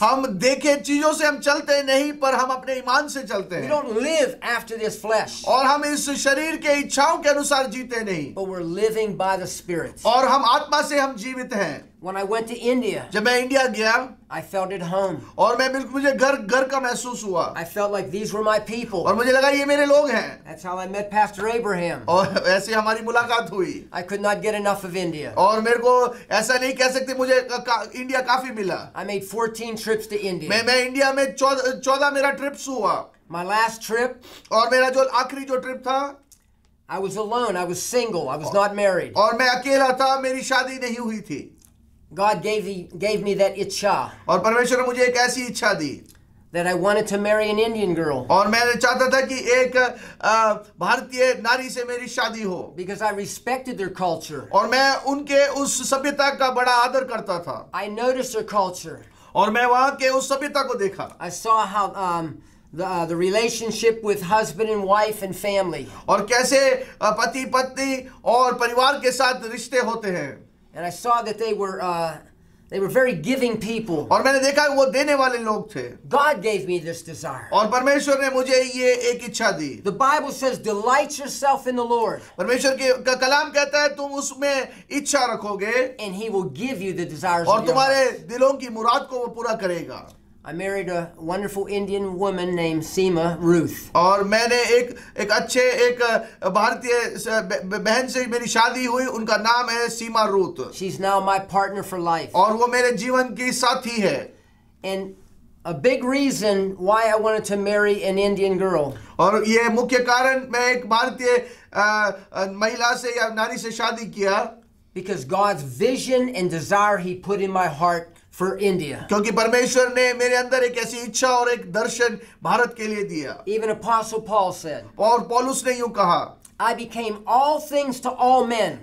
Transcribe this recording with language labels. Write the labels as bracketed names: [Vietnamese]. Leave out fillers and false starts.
[Hindi] हम देखे चीजों से हम चलते नहीं पर हम अपने ईमान से चलते हैं. [English] We don't live after this flesh. [Hindi] और हम इस शरीर के इच्छाओं के अनुसार जीते नहीं. [English] But we're living by the Spirit. [Hindi] और हम आत्मा से हम जीवित हैं. [English] When I went to India, [Hindi] जब मैं इंडिया गया, [English] I felt at home. [Hindi] और मैं बिल्कुल मुझे घर का महसूस हुआ. [English] I felt like these were my people. [Hindi] और मुझे लगा ये मेरे लोग हैं. [English] That's how I met Pastor Abraham. [Hindi] और ऐसे हमारी मुलाकात हुई. [English] I could not get enough of India. [Hindi] और मेरे को ऐसा नहीं कह सकते मुझे इंडिया काफी मिला. [English] I made 14 trips to India. [Hindi] मैं इंडिया में 14 मेरा ट्रिप्स हुआ. [English] My last trip. [Hindi] और मेरा जो आखिरी जो ट्रिप था. [English] I was alone. I was single. I was not married. [Hindi] और मैं अकेला था. मेरी शादी नहीं हुई थी. [English] God gave me that ichha. [Hindi] और परमेश्वर ने मुझे एक ऐसी इच्छा दी. [English] That I wanted to marry an Indian girl. [Hindi] और मैं चाहता था कि एक भारतीय नारी से मेरी शादी हो. [English] Because I respected their culture. [Hindi] और मैं उनके उस सभ्यता का बड़ा आदर करता था. [English] I noticed their culture. [Hindi] और मैं वहाँ के उस सभ्यता को देखा. [English] I saw how the relationship with husband and wife and family. [Hindi] और कैसे पति पत्नी और परिवार के साथ रिश्ते होते हैं. [English] And I saw that they were very giving people. [Hindi] और मैंने देखा वो देने वाले लोग थे. [English] God gave me this desire. [Hindi] और परमेश्वर ने मुझे ये एक इच्छा दी. [English] The Bible says, "Delight yourself in the Lord." [Hindi] परमेश्वर के कलाम कहता है तुम उसमें इच्छा रखोगे. [English] And He will give you the desires. [Hindi] और तुम्हारे दिलों की मुराद को वो पूरा करेगा. [English] I married a wonderful Indian woman named Seema Ruth. [Hindi] और मैंने एक एक अच्छे एक भारतीय बहन से मेरी शादी हुई. उनका नाम है सीमा Ruth. [English] She's now my partner for life. [Hindi] और वो मेरे जीवन की साथी है. [English] And a big reason why I wanted to marry an Indian girl. [Hindi] और ये मुख्य कारण मैं एक भारतीय महिला से या नारी से शादी किया. [English] Because God's vision and desire He put in my heart for India. [Hindi] क्योंकि परमेश्वर ने मेरे अंदर एक ऐसी इच्छा और एक दर्शन भारत के लिए दिया. [English] Even Apostle Paul said. [Hindi] और पौलुस ने यूं कहा. [English] I became all things to all men.